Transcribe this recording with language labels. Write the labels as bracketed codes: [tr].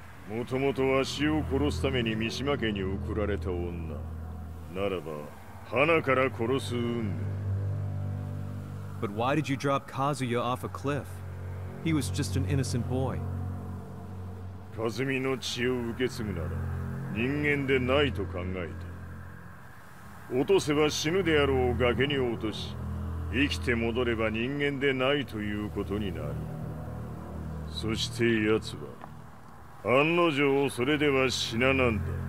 [ja] もともとは死を殺すために三島家に送られた女。ならば、花から殺す運命。 [en] But why did you drop Kazuya off a cliff? He was just an innocent boy. [ja] カズミの血を受け継ぐなら、人間でないと考えて。落とせば死ぬであろう崖に落とし、生きて戻れば人間でないということになる。そして奴は、案の定それでは死ななんだ。